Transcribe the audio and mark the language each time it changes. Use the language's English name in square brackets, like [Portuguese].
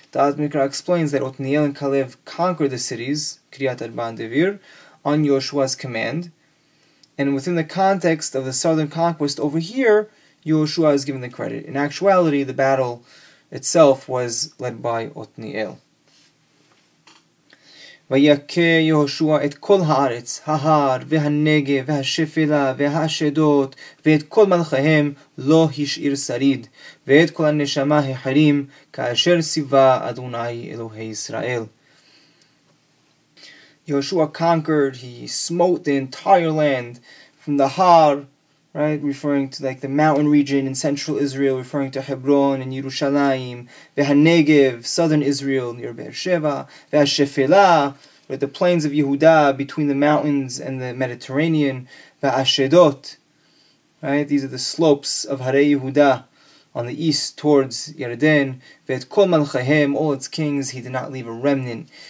[English] The Az Mikra explains that Otniel and Kalev conquered the cities, Kiryat Arba and Devir, on Yehoshua's command. And within the context of the southern conquest over here, Yehoshua is given the credit. In actuality, the battle itself was led by Otniel. [Hebrew] ויכה יהושע את כל הארץ, ההר, והנגב, והשפלה, והשדות, ואת כל מלכיהם לא השאיר שריד, ואת כל הנשמה החרים, כאשר סיבה אדוני אלוהי ישראל. [English] Yehoshua conquered, he smote the entire land from the har, right, referring to like the mountain region in central Israel, referring to Hebron and Yerushalayim, VeHanegev, southern Israel near Be'er Sheva, VeHashefela, right, the plains of Yehuda between the mountains and the Mediterranean, VeHashedot, right, these are the slopes of Harei Yehuda on the east towards Yerden, VeEt Kol Malchehem, all its kings, he did not leave a remnant.